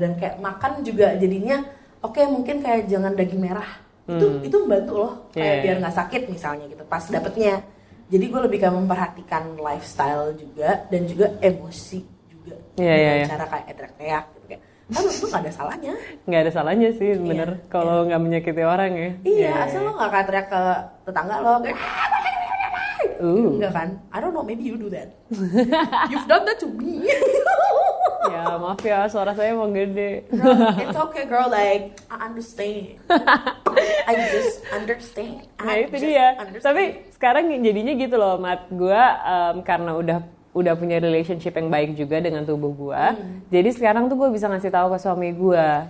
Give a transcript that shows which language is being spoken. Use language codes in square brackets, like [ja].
[id] Dan kayak makan juga jadinya, okay, mungkin kayak jangan daging merah, itu membantu loh kayak biar nggak sakit misalnya gitu pas dapetnya. Jadi gue lebih kayak memperhatikan lifestyle juga dan juga emosi juga cara kayak etrek-etrek gitu kan, tapi itu nggak ada salahnya, nggak ada salahnya sih bener kalau nggak menyakiti orang ya. Asal lo nggak teriak ke tetangga lo kayak nggak kan, [en] I don't know, maybe you do that, you've done that to me. [id] Ya maaf ya, suara saya emang gede. [en] Girl, it's okay girl, like I just understand. [id] Tapi sekarang jadinya gitu loh Mat, gue karena udah punya relationship yang baik juga dengan tubuh gue, jadi sekarang tuh gue bisa ngasih tahu ke suami gue.